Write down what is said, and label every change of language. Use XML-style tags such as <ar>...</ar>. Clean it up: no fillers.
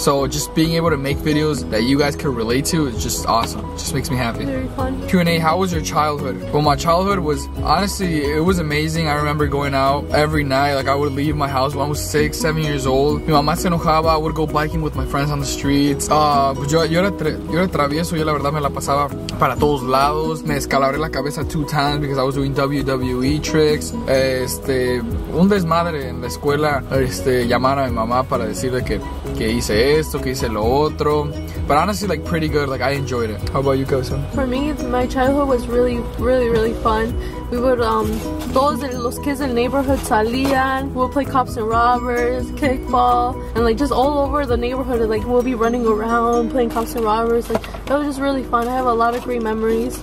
<en>So just being able to make videos that you guys can relate to is just awesome. Just makes me happy. Very fun. Q&A, how was your childhood? Well, my childhood was, honestly, it was amazing. I remember going out every night. Like, I would leave my house when I was 6-7 years old.</en> <es>Mi mamá se enojaba.</es> <en>I would go biking with my friends on the streets.</en> <es>Yo era travieso. Yo la verdad me la pasaba para todos lados. Me escalabré la cabeza</es> <en>2 times because I was doing WWE tricks.</en> <es>Un desmadre en la escuela. Llamar a mi mamá para decirle que hice esto, que hice lo otro.</es> <en>But honestly, like, pretty good. Like, I enjoyed it. How about you, Cabezón? For me, my childhood was really, really, really fun. We would, los kids in the neighborhood salían. We would play cops and robbers, kickball, and like just all over the neighborhood. Like, we'll be running around playing cops and robbers. Like, that was just really fun. I have a lot of great memories.</en>